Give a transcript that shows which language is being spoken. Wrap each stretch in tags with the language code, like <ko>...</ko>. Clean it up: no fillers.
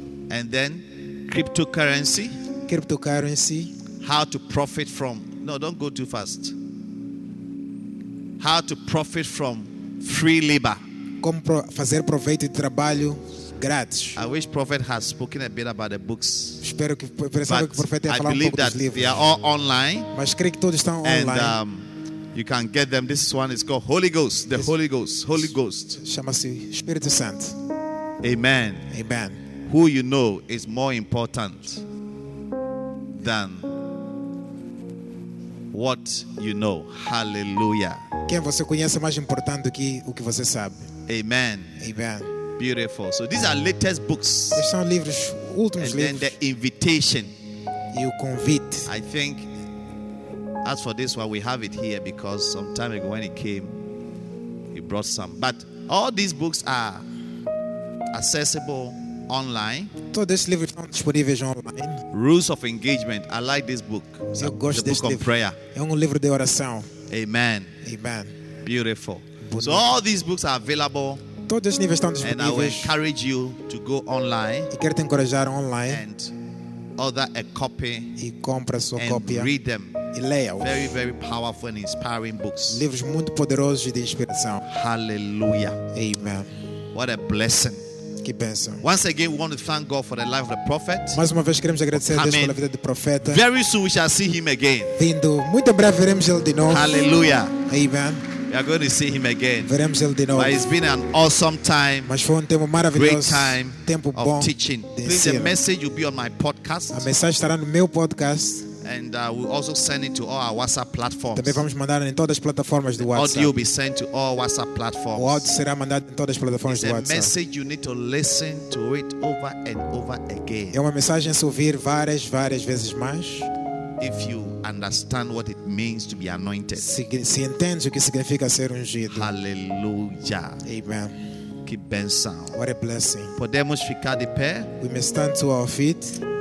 <en>And then cryptocurrency. Cryptocurrency. How to profit from? No, don't go too fast. How to profit from free labor?</en> <pt>Como fazer proveito de trabalho grátis?</pt> <en>I wish Prophet has spoken a bit about the books.</en> <pt>Espero que o profeta tenha falado um pouco dos livros.</pt> <en>They are all online.</en> <pt>Mas creio que todos estão online.</pt> <en>And you can get them. This one is called Holy Ghost. The Holy Ghost. Holy Ghost.</en> <pt>Chama-se Espírito Santo.</pt> <en>Amen. Amen. Who you know is more important than what you know. Hallelujah.</en> <pt>Quem você conhece é mais importante do que o que você sabe.</pt> <en>Amen. Amen. Beautiful. So these are latest books.</en> <pt>Estes são livros, últimos</pt> <en>and</en> <pt>livros.</pt> <en>And then the invitation.</en> <pt>E o convite.</pt> <en>I think, as for this one, we have it here because some time ago when it came, he brought some. But all these books are accessible online.</en> <pt>Todos estes livros estão disponíveis online.</pt> <en>Rules of Engagement. I like this book.</en> <pt>Eu gosto desse livro.</pt> <en>Of Prayer.</en> <pt>É livro de oração.</pt> <en>Amen. Amen. Beautiful. So all these books are available.</en> <pt>Todos os livros estão disponíveis.</pt> <en>And I will encourage you to go online.</en> <pt>E quero te encorajar online.</pt> <en>And order a copy.</en> <pt>E compra sua</pt> <en>and</en> <pt>cópia.</pt> <en>And read them.</en> <pt>E leia.</pt> <en>Very, very powerful and inspiring books.</en> <pt>Livros muito poderosos e de inspiração.</pt> <en>Hallelujah. Amen. What a blessing.</en> <pt>Que bênção.</pt> <en>Once again, we want to thank God for the life of the prophet.</en> <pt>Mais uma vez queremos agradecer a Deus pela vida do profeta.</pt> <en>Very soon we shall see him again.</en> <pt>Vindo muito em breve veremos ele de novo.</pt> <en>Hallelujah. Amen. We are going to see him again.</en> <pt>Veremos ele de novo.</pt> <en>But it's been an awesome time.</en> <pt>Mas foi tempo maravilhoso.</pt> <en>Great time.</en> <pt>Tempo</pt> <en>of</en> <pt>bom.</pt> <en>Teaching. Please, the message will be on my podcast.</en> <pt>A mensagem estará no meu podcast.</pt> <en>And we'll also send it to all our WhatsApp platforms.</en> <pt>Também vamos mandar em todas as plataformas do WhatsApp.</pt> <en>Audio will be sent to all WhatsApp platforms.</en> <pt>O áudio será mandado em todas as plataformas do WhatsApp.</pt> <en>It's a message you need to listen to it over and over again.</en> <pt>É uma mensagem a se ouvir várias, várias vezes mais.</pt> <en>If you understand what it means to be anointed.</en> <pt>Se entende o que significa ser ungido.</pt> <en>Hallelujah. Amen.</en> <pt>Que bênção.</pt> <en>What a blessing.</en> <pt>Podemos ficar de pé?</pt> <en>We may stand to our feet.</en>